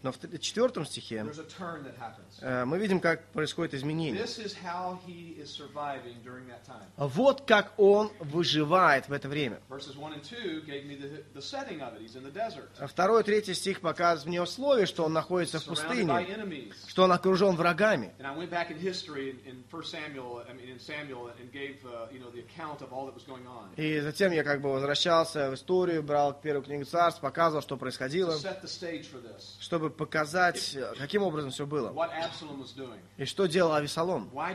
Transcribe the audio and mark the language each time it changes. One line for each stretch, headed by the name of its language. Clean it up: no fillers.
Russian: но в четвертом стихе мы видим, как происходит изменение.
English: This is how he is surviving during that time.
Russian: Вот как он выживает в это время.
English: Verses 1 and 2 gave me the setting of it. He's in the desert.
Russian: Второй и третий стих показывают мне условия, что он находится в пустыне, что он окружен врагами.
English: And I went back in history in 1 Samuel, I mean in Samuel, and gave you know the account of all that was going on.
Russian: И затем я как бы возвращался в историю, брал первую книгу Царств, показывал, что происходило. Чтобы показать, каким образом все было. И что делал Авессалом.